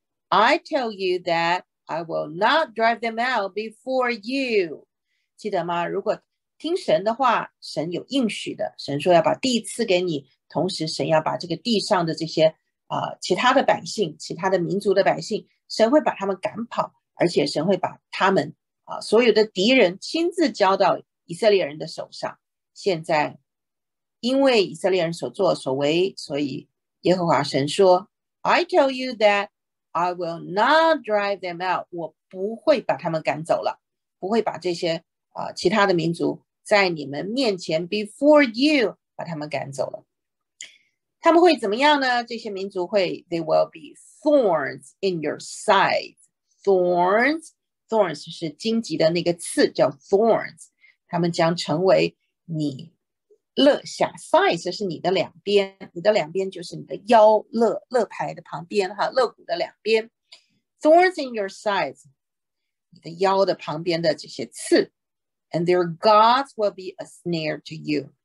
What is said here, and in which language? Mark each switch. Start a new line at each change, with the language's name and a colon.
English: I tell you that I will not drive them out before you.
Chinese: 记得吗？如果听神的话，神有应许的，神说要把地赐给你，同时神要把这个地上的这些其他的百姓，其他的民族的百姓，神会把他们赶跑，而且神会把他们所有的敌人亲自交到以色列人的手上。现在因为以色列人所作所为，所以耶和华神说，
English: I tell you that I will not drive them out，
Chinese: 我不会把他们赶走了，不会把这些其他的民族在你们面前
English: before you
Chinese: 把他们赶走了。他们会怎么样呢？这些民族会
English: They will be thorns in your side. Thorns, thorns
Chinese: 是荆棘的那个刺，叫 thorns. 他们将成为你肋下 side 是你的两边，你的两边就是你的腰肋排的旁边，肋骨的两边。
English: Thorns in your side,
Chinese: 你的腰的旁边的这些刺。
English: And their gods will be a snare to you.